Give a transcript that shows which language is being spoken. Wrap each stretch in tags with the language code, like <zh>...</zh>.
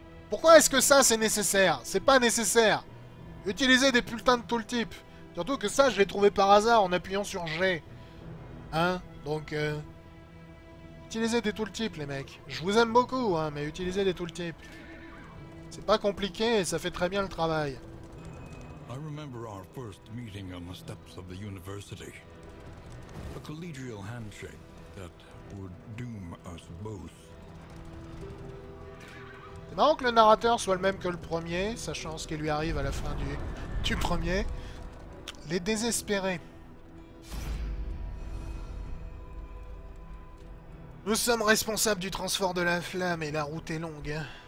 <fr>Pourquoi est-ce que ça c'est nécessaire? C'est pas nécessaire. Utiliser des putains de tooltip. Surtout que ça je l'ai trouvé par hasard en appuyant sur G. Hein? Donc utilisez des tooltip les mecs. Je vous aime beaucoup hein, mais utilisez des tooltip. C'est pas compliqué et ça fait très bien le travail.</fr> <en>I remember our first meeting on the steps of the university. A collegial handshake that would doom us both.</en> <fr>C'est marrant que le narrateur soit le même que le premier, sachant ce qui lui arrive à la fin du premier. Les désespérés. Nous sommes responsables du transport de la flamme et la route est longue.</fr>